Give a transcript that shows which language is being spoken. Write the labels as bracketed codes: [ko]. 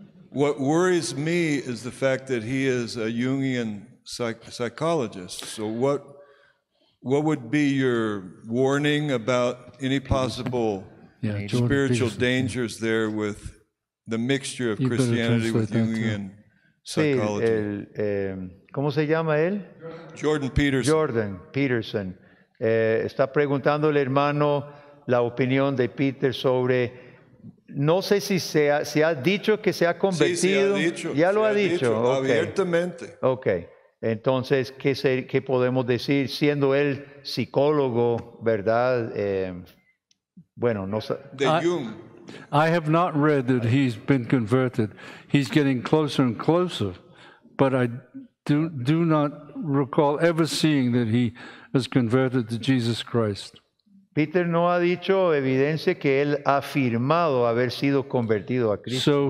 [en] What worries me is the fact that he is a Jungian psychologist. So what would be your warning about any possible yeah, spiritual Peterson. Dangers there with the mixture of you Christianity with Jungian psychology? [es] Sí, ¿cómo se llama él? Jordan Peterson. Jordan Peterson. Está preguntando el hermano la opinión de Peter sobre, no sé si se ha, si ha dicho que se ha convertido. Sí, se ha dicho, ya lo ha dicho, dicho. Okay. Abiertamente. Ok, entonces, ¿qué podemos decir? Siendo él psicólogo, ¿verdad? Bueno, no sé. De Jung. [en] I have not read that he's been converted. He's getting closer and closer, but I do not recall ever seeing that he has converted to Jesus Christ. [es] Peter no ha dicho evidencia que él ha afirmado haber sido convertido a Cristo.